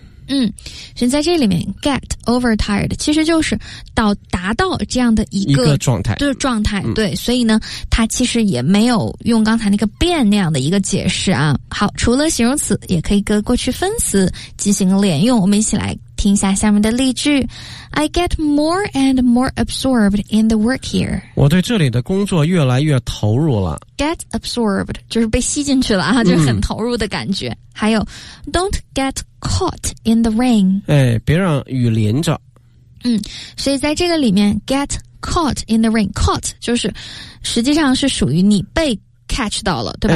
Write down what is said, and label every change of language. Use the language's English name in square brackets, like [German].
[Chinese] 嗯，所以在这里面 [English] get overtired [Chinese] 其实就是到达到这样的一个状态，对状态、嗯、对，所以呢它其实也没有用刚才那个变那样的一个解释啊。好，除了形容词也可以跟过去分词进行连用，我们一起来听一下下面的例句。 [English] I get more and more absorbed in the work here， [Chinese] 我对这里的工作越来越投入了。 [English] get absorbed [Chinese] 就是被吸进去了啊，就是很投入的感觉、嗯、还有 [English] don't get caught in the rain， [Chinese] 哎，别让雨淋着。嗯，所以在这个里面 [English] get caught in the rain， [Chinese] caught 就是实际上是属于你被catch 到了，对吧、